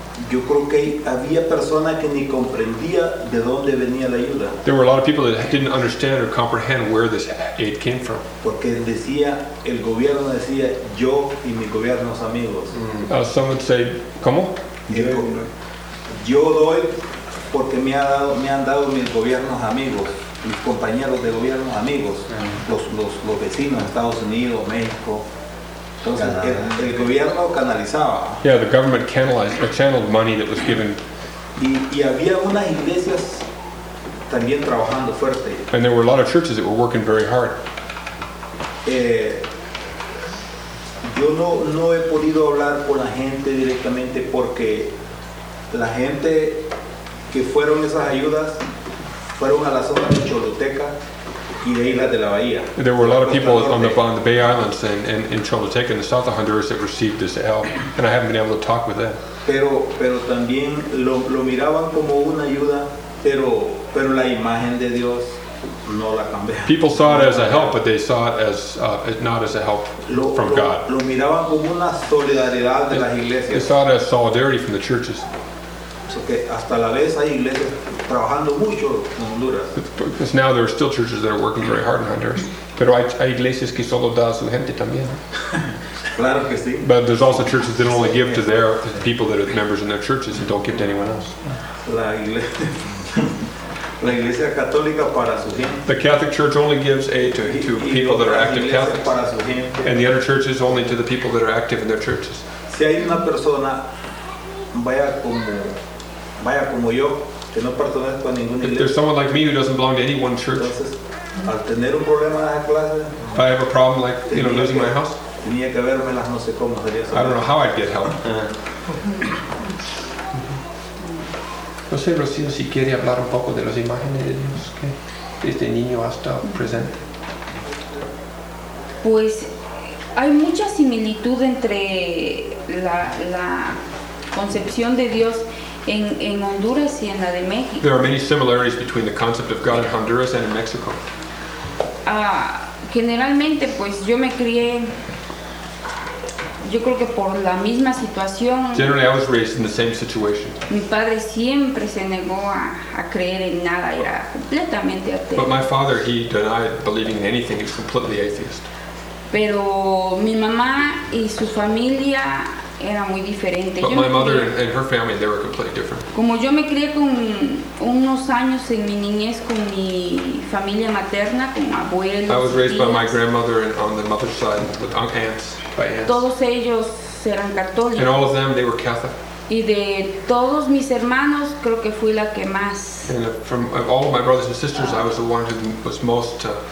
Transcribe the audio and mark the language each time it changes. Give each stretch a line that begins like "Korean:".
Spanish: Yo creo que había personas que ni comprendía de dónde venía la ayuda.
English: There were a lot of people that didn't understand or comprehend where this aid came from.
Spanish: Porque decía, el gobierno decía, yo y mis gobiernos amigos.
English: Some would say, ¿cómo?
Spanish: Yo doy porque me han dado mis gobiernos amigos, mis compañeros de gobiernos amigos, los vecinos de Estados Unidos, México. Entonces, el gobierno canalizaba.
English: Yeah, the government canalized, channeled money that was given.
Spanish: Y había unas iglesias también trabajando fuerte.
English: And there were a lot of churches that were working very hard.
Spanish: Yo no he podido hablar con la gente directamente porque la gente que fueron esas ayudas fueron a la zona de Choluteca.
English: There were a lot of people on the Bay Islands and in Choluteca in the south of Honduras that received this help, and I haven't been able to talk with them.
Spanish: Pero también lo miraban como una ayuda, pero la imagen de Dios no la cambiaron.
English: People saw it as a help, but they saw it as not as a help from God.
Spanish: Lo miraban como una solidaridad de las iglesias.
English: They saw it as solidarity from the churches.
Spanish: Hasta la vez hay iglesias trabajando mucho en Honduras.
English: Because now there are still churches that are working very hard in Honduras.
Spanish: Pero hay iglesias que solo da a su gente también. Claro que sí.
English: But there's also churches that only give to their people that are members in their churches and don't give to anyone else.
Spanish: La iglesia católica para su gente.
English: The Catholic Church only gives aid to people that are active Catholics.
Spanish: Para su gente.
English: And the other churches only to the people that are active in their churches.
Spanish: Si hay una persona, vaya como yo, que no pertenezco a ninguna iglesia.
English: If there's someone like me who doesn't belong to any one church.
Spanish: Entonces, al tener un problema de clase,
English: if I have a problem like, you know, losing my house,
Spanish: tenía que verme las no sé cómo sería.
English: I don't know how I'd get help.
Spanish: No sé, Rocío, si quiere hablar un poco de las imágenes de Dios. desde niño hasta presente? Pues hay mucha similitud entre la concepción de Dios en Honduras y en la de México.
English: There are many similarities between the concept of God in Honduras and in Mexico.
Spanish: Generalmente, pues yo me crié, yo creo que por la misma situación.
English: Generally, I was raised in the same situation.
Spanish: Mi padre siempre se negó a creer en nada, era completamente ateo.
English: But my father, he denied believing in anything, he was completely atheist.
Spanish: Pero mi mamá y su familia era muy diferente.
English: But my mother and her family, they were completely different.
Spanish: Como yo me crié con unos años en mi niñez con mi familia materna, con abuelos.
English: I was raised by my grandmother and on the mother's side with aunts, by aunts.
Spanish: Todos ellos eran católicos.
English: And all of them, they were Catholic.
Spanish: Y de todos mis hermanos, creo que fui la que más.
English: And from all of my brothers and sisters, I was the one who was most